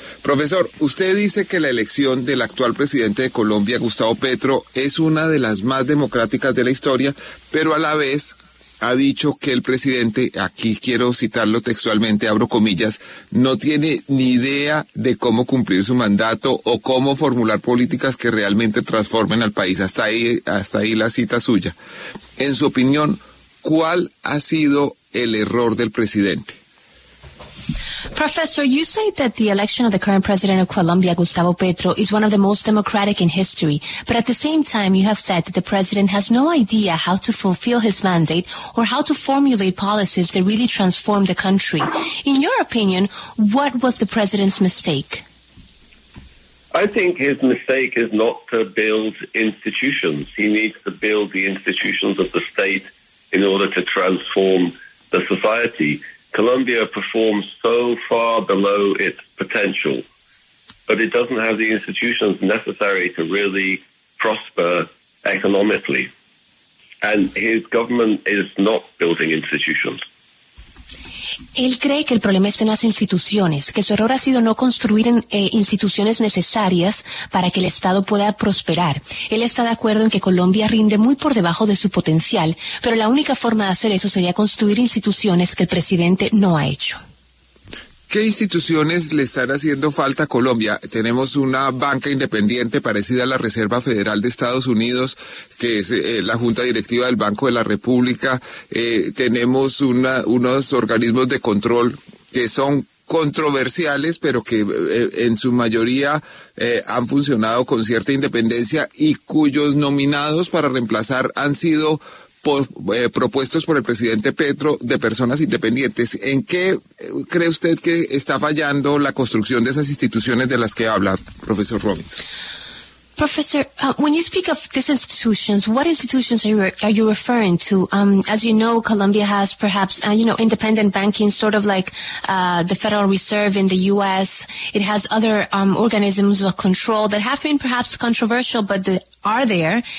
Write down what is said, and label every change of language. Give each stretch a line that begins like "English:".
Spanish: Profesor, usted dice que la elección del actual presidente de Colombia, Gustavo Petro, es una de las más democráticas de la historia, pero a la vez ha dicho que el presidente, aquí quiero citarlo textualmente, abro comillas, no tiene ni idea de cómo cumplir su mandato o cómo formular políticas que realmente transformen al país. Hasta ahí la cita suya. En su opinión, ¿cuál ha sido el error del presidente?
English: Professor, you say that the election of the current president of Colombia, Gustavo Petro, is one of the most democratic in history. But at the same time, you have said that the president has no idea how to fulfill his mandate or how to formulate policies that really transform the country. In your opinion, what was the president's mistake? I think his mistake is not to build institutions. He needs to build the institutions of the state in order to transform the society. Colombia performs so far below its potential, but it doesn't have the institutions necessary to really prosper economically. And his government is not building institutions.
Spanish: Él cree que el problema está en las instituciones, que su error ha sido no construir instituciones necesarias para que el Estado pueda prosperar. Él está de acuerdo en que Colombia rinde muy por debajo de su potencial, pero la única forma de hacer eso sería construir instituciones que el presidente no ha hecho. ¿Qué instituciones le están haciendo falta a Colombia? Tenemos una banca independiente parecida a la Reserva Federal de Estados Unidos, que es la Junta Directiva del Banco de la República. Tenemos unos organismos de control que son controversiales, pero que en su mayoría han funcionado con cierta independencia y cuyos nominados para reemplazar han sido propuestos por el presidente Petro de personas independientes. ¿En qué cree usted que está fallando la construcción de esas instituciones de las que habla, profesor Robinson?
English: Professor, when you speak of these institutions, what institutions are you referring to? As you know, Colombia has perhaps, independent banking, sort of like the Federal Reserve in the U.S. It has other organisms of control that have been perhaps controversial, but they are there.